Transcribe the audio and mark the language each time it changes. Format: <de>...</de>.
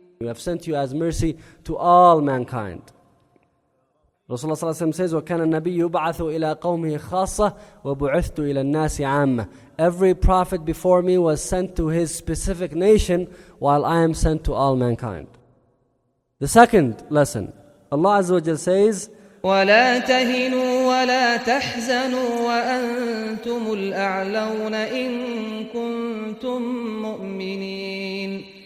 <en>We have sent you as mercy to all mankind. Rasulullah</en> <ar>صلى الله عليه وسلم</ar> <en>says,</en> <ar>وَكَانَ النَّبِيُّ يُبْعَثُ إِلَىٰ قَوْمِهِ خَاصَّةِ وَبُعِثْتُ إِلَىٰ النَّاسِ عَامَّةِ.</ar> <en>Every prophet before me was sent to his specific nation, while I am sent to all mankind. The second lesson, Allah عز وجل says,</en> <ar>وَلَا تَهِنُوا وَلَا تَحْزَنُوا وَأَنْتُمُ الْأَعْلَوْنَ إِن كُنْتُم مُؤْمِنِينَ.</ar>